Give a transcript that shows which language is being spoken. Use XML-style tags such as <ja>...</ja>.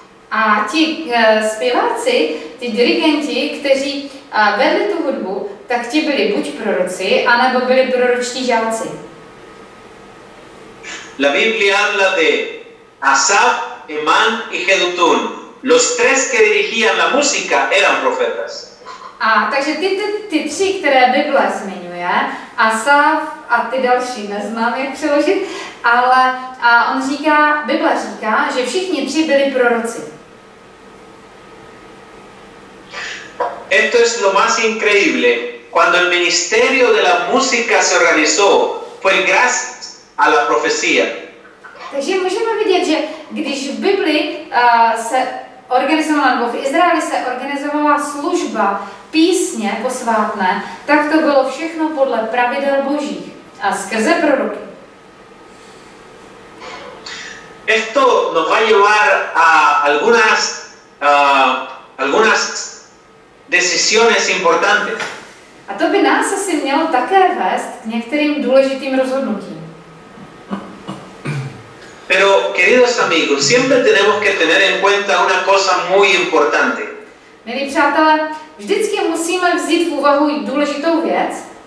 <cs>A ti zpěváci, ti dirigenti, kteří vedli tu hudbu, tak ti byli buď proroci, anebo byli proročtí žáci.</cs> <es>La Biblia habla de Asaf, Emán y Jedutún. Los tres que dirigían la música eran profetas.</es> <cs>A takže ty tři, které Bible zmiňuje, Asaf a ty další, neznám, jak přeložit, ale on říká, Bible říká, že všichni tři byli proroci.</cs> <es>Esto es lo más increíble. Cuando el ministerio de la música se organizó, fue gracias a la profecía.</es> <cs>Takže můžeme vidět, že když v Bibli se organizovala, nebo v Izraeli se organizovala služba písně posvátné, tak to bylo všechno podle pravidel božích a skrze proroky.</cs> <es>Esto nos va a llevar a algunas decisiones importantes.</es> <cs>A to by nás asi mělo také vést k některým důležitým rozhodnutím.</cs> <es>Pero queridos amigos, siempre tenemos que tener en cuenta una cosa muy importante.</es> <cs>Milí přátelé, vždycky musíme vzít v úvahu důležitou věc.</cs>